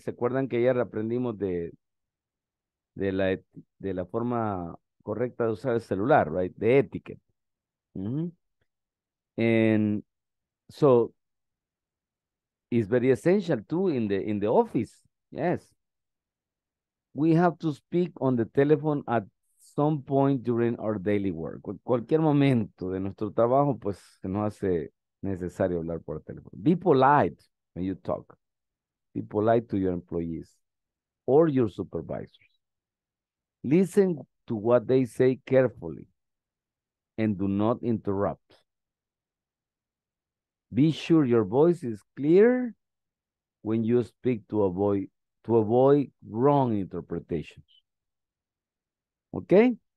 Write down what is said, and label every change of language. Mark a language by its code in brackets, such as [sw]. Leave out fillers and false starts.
[es] ¿Se acuerdan que ayer aprendimos de la forma correcta de usar el celular, right? [en] The etiquette. Mm-hmm. And so it's very essential too in the office. Yes. We have to speak on the telephone at some point during our daily work. [es] Cualquier momento de nuestro trabajo, pues se nos hace necesario hablar por teléfono. [en] Be polite when you talk. Be polite to your employees or your supervisors. Listen to what they say carefully and do not interrupt. Be sure your voice is clear when you speak to avoid wrong interpretations. Okay?